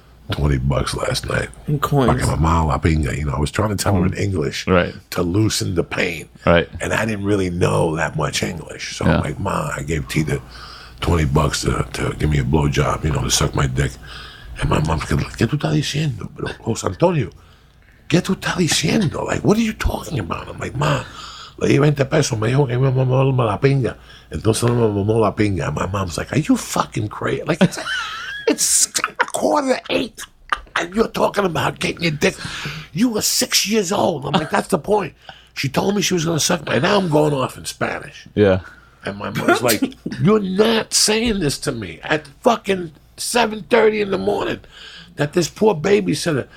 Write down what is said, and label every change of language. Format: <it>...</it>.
<en>$20 last night. In coins. Fucking my</en> <es>mala pinga.</es> <en>You know, I was trying to tell her in English to loosen the pain. Right. And I didn't really know that much English. So I'm like, Ma, I gave Tita $20 to give me a blowjob, you know, to suck my dick. And my mom's like,</en> <es>¿Qué tú estás diciendo? Pero José Antonio, ¿Qué tú estás diciendo?</es> <en>Like, what are you talking about? I'm like, Ma,</en> <es>le di 20 pesos. Me dijo que me mamó la pinga. Entonces me mamó la pinga.</es> <en>And my mom's like, are you fucking crazy? Like, it's 7:45 and you're talking about getting your dick. You were 6 years old. I'm like, that's the point. She told me she was going to suck my. Now I'm going off in Spanish. Yeah. And my mom's like, you're not saying this to me at fucking 7:30 in the morning that this poor babysitter.</en>